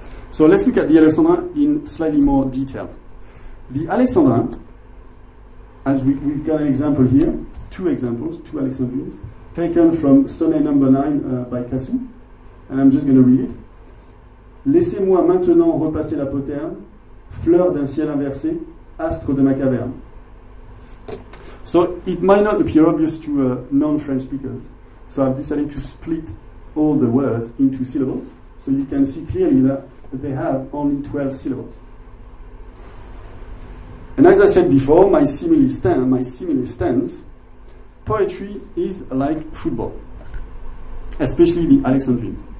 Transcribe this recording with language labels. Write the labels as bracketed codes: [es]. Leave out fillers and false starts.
[en] So let's look at the alexandrin in slightly more detail. The alexandrin, as we've got an example here, two examples, two alexandrines, taken from sonnet number 9 by Cassou, and I'm just going to read it. [fr] Laissez-moi maintenant repasser la poterne, fleur d'un ciel inversé, astre de ma caverne. [en] So it might not appear obvious to non-French speakers, so I've decided to split all the words into syllables, so you can see clearly that they have only 12 syllables. And as I said before, my simile stands, poetry is like football, especially the alexandrine.